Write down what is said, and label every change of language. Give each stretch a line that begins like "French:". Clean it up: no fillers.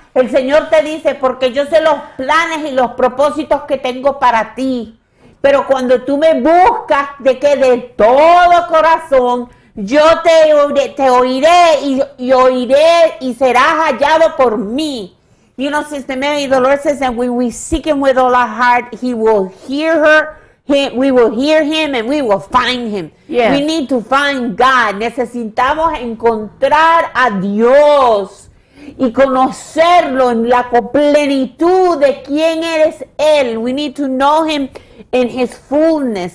Spanish: El Señor te dice, porque yo sé los planes y los propósitos que tengo para ti. Pero cuando tú me buscas, de que de todo corazón, yo te oiré y oiré y serás hallado por mí.
English: You know, Sister Mary, the Lord says that when we seek him with all our heart, he will hear her, we will hear him and we will find him. Yes. We need to find God.
Spanish: Necesitamos encontrar a Dios y conocerlo en la plenitud de quién eres Él.
English: We need to know him in his fullness.